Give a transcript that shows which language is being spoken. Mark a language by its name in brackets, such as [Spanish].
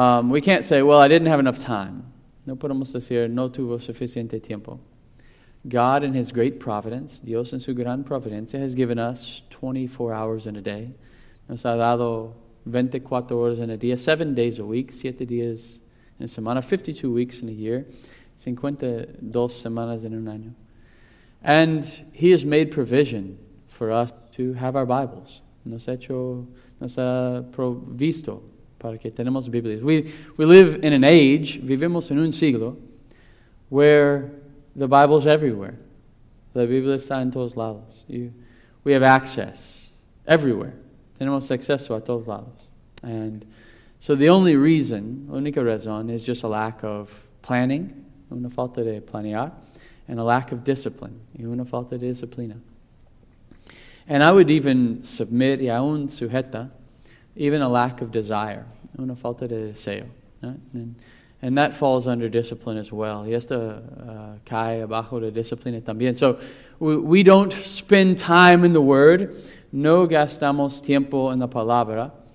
[English] We can't say, well, I didn't have enough time. [Spanish] No podemos decir, no tuvo suficiente tiempo. [English] God in his great providence, [Spanish] Dios en su gran providencia, [English] has given us 24 hours in a day. [Spanish] Nos ha dado 24 horas en el día, [English] 7 days a week, [Spanish] 7 días en semana, [English] 52 weeks in a year, [Spanish] 52 semanas en un año. [English] And he has made provision for us to have our Bibles. [Spanish] Nos ha provisto. Para que tenemos Biblias. [English] We live in an age, [Spanish] vivimos en un siglo, [English] where the Bible's everywhere. [Spanish] La Biblia está en todos lados. [English] You, We have access everywhere. [Spanish] Tenemos acceso a todos lados. [English] And so the only reason, [Spanish] única razón, [English] is just a lack of planning, [Spanish] una falta de planear, [English] and a lack of discipline, [Spanish] y una falta de disciplina. [English] And I would even submit, [Spanish] y aún sujeta, [English] even a lack of desire, [Spanish] una falta de deseo. [English] And that falls under discipline as well. [Spanish] Y esto cae abajo de disciplina también. [English] So we don't spend time in the Word. [Spanish] No gastamos tiempo en la palabra.